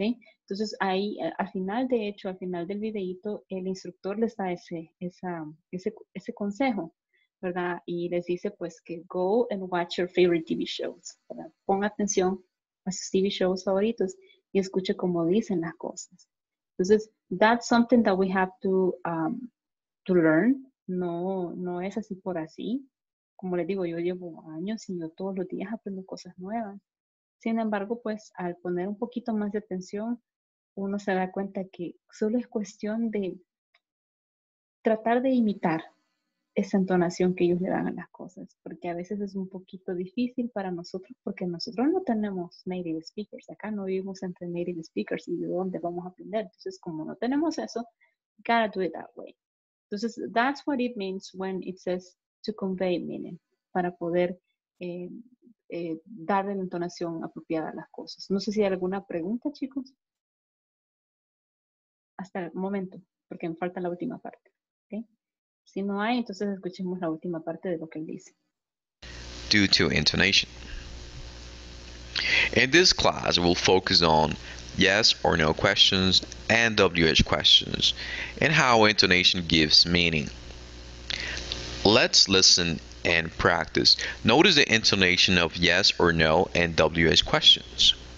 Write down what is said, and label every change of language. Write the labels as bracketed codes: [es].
[es] Entonces ahí, al final, de hecho, al final del videíto, el instructor les da ese consejo, ¿verdad? Y les dice pues que [en] go and watch your favorite TV shows, ¿verdad? [es] Ponga atención a sus TV shows favoritos y escuche cómo dicen las cosas. Entonces, [en] that's something that we have to learn. [es] No, no es así por así. Como les digo, yo llevo años y yo todos los días aprendo cosas nuevas. Sin embargo, pues, al poner un poquito más de atención, uno se da cuenta que solo es cuestión de tratar de imitar esa entonación que ellos le dan a las cosas. Porque a veces es un poquito difícil para nosotros, porque nosotros no tenemos native speakers. Acá no vivimos entre native speakers y de dónde vamos a aprender. Entonces, como no tenemos eso, [en] gotta do it that way. [es] Entonces, [en] that's what it means when it says to convey meaning, [es] para poder darle la entonación apropiada a las cosas. No sé si hay alguna pregunta, chicos. Hasta el momento, porque me falta la última parte. ¿Okay? Si no hay, entonces escuchemos la última parte de lo que él dice. [en] Due to intonation. In this class, we'll focus on yes or no questions and WH questions, and how intonation gives meaning. Let's listen and practice. Notice the intonation of yes or no and WH questions.